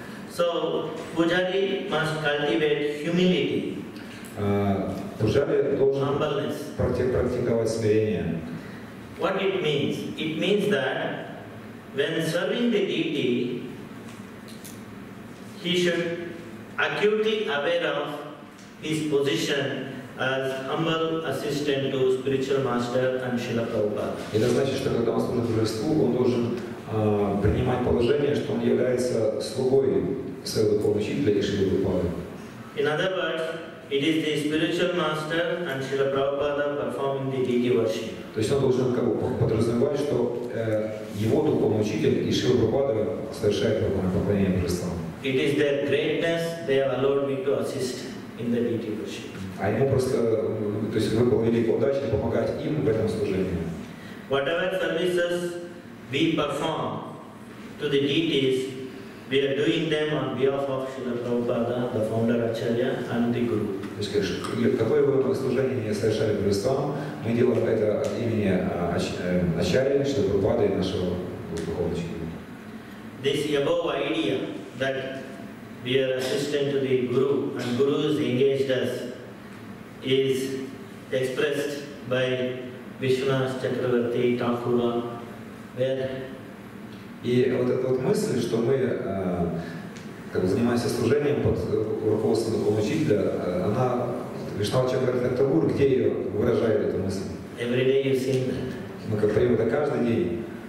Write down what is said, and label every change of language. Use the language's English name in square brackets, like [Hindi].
[English] So Pujari must cultivate humility. [Russian] Pujari должен практиковать смирение. [English] What it means? It means that when serving the deity, he should acutely aware of his position as humble assistant to spiritual master and Srila Prabhupada. [Russian] Это значит, что когда он служит божеству, он должен принимать положение, что он является слугой своего духовного учителя и Шрилы Прабхупады. [English] In other words, it is the spiritual master and Srila Prabhupada performing the deity worship. [Russian] То есть он должен как бы подразумевать, что его духовный учитель и Шрила Прабхупада совершает духовное поклонение божествам. [English] It is their greatness, they have allowed me to assist in the deity worship. [Russian] А ему просто, то есть выпала великая удача помогать им в этом служении. [English] Whatever services we perform to the deities, we are doing them on behalf of Srila Prabhupada, the founder Acharya and the Guru. [Russian] То есть, какое бы служение ни совершали божествам, мы делаем это от имени Ачарьи, Шрилы Прабхупады и нашего духовного учителя. [English] This above idea that we are assistant to the Guru and Guru is engaged us is expressed by Vishwanath Chakravarti Thakur. [Russian] И вот эта вот мысль, что мы как бы занимаемся служением под руководством духовного учителя, она Вишнава Чакравартия Тхакур, где ее выражает эту мысль? [English] Every day you see that. [Russian] Мы как поем это каждый день.